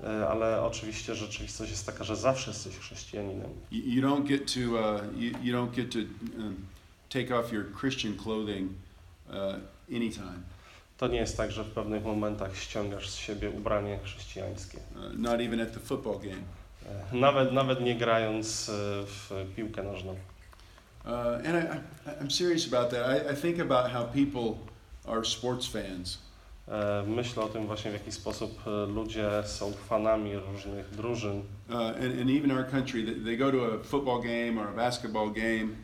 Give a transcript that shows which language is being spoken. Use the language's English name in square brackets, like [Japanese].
[Polish] ale oczywiście rzeczywistość jest taka, że zawsze jesteś chrześcijaninem. [English] You don't get to you don't get to take off your Christian clothing anytime. [Polish] To nie jest tak, że w pewnych momentach ściągasz z siebie ubranie chrześcijańskie. [English] Not even at the football game. [Polish] Nawet nie grając w piłkę nożną. [English] And I'm serious about that. I think about how people are sports fans. [Polish] Myślę o tym właśnie, w jaki sposób ludzie są fanami różnych drużyn. [English] And even our country, they go to a football game or a basketball game.